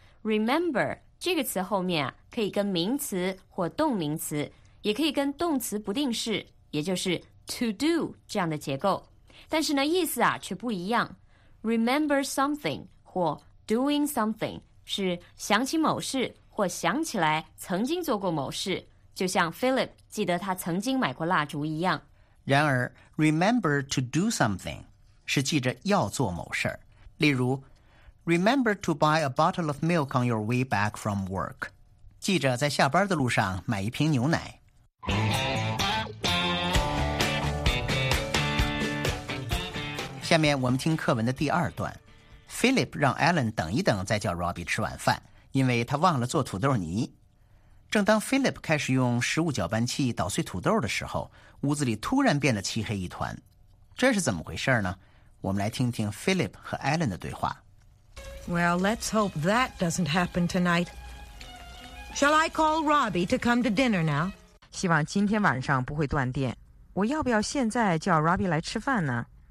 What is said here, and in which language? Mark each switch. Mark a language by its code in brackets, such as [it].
[zh] Remember,这个词后面啊，可以跟名词或动名词，也可以跟动词不定式，也就是 to do 这样的结构。但是呢，意思啊却不一样。 [en] Remember something [zh] 或 [en] doing something [zh] 是想起某事或想起来曾经做过某事，就像 Philip 记得他曾经买过蜡烛一样。然而 ， [en] remember to do something [zh] 是记着要做某事，例如。 [en] Remember to buy a bottle of milk on your way back from work. [zh] 记着在下班的路上买一瓶牛奶。下面我们听课文的第二段。Philip 让 Ellen 等一等再叫 Robbie 吃晚饭，因为他忘了做土豆泥。正当 Philip 开始用食物搅拌器捣碎土豆的时候，屋子里突然变得漆黑一团。这是怎么回事呢？我们来听听 Philip 和 Ellen 的对话。 [en] Well, let's hope that doesn't happen tonight. Shall I call Robbie to come to dinner now? [zh] 希望今天晚上不会断电。我要不要现在叫 Robbie 来吃饭呢？